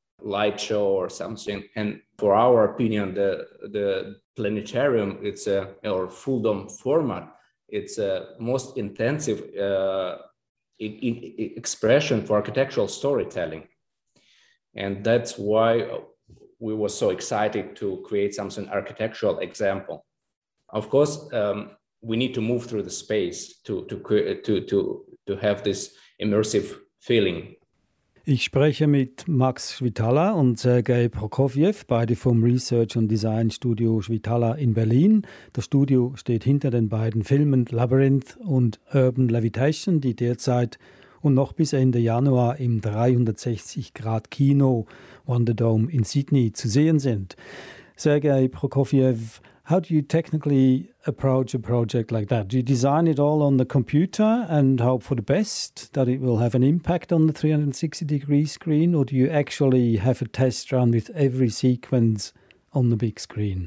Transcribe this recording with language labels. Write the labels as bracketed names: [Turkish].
[English] light show or something. And for our opinion, the planetarium, it's a or full dome format, it's a most intensive expression for architectural storytelling. And that's why we were so excited to create something architectural example. Of course, we need to move through the space to have this immersive feeling. [German] Ich spreche mit Max Schwitala und Sergei Prokofjew, beide vom Research und Design Studio Schwitala in Berlin. Das Studio steht hinter den beiden Filmen Labyrinth und Urban Levitation, die derzeit und noch bis Ende Januar im 360-Grad-Kino Wonderdome in Sydney zu sehen sind. [English] Sergei Prokofjew, how do you technically approach a project like that? Do you design it all on the computer and hope for the best, that it will have an impact on the 360-degree screen, or do you actually have a test run with every sequence on the big screen?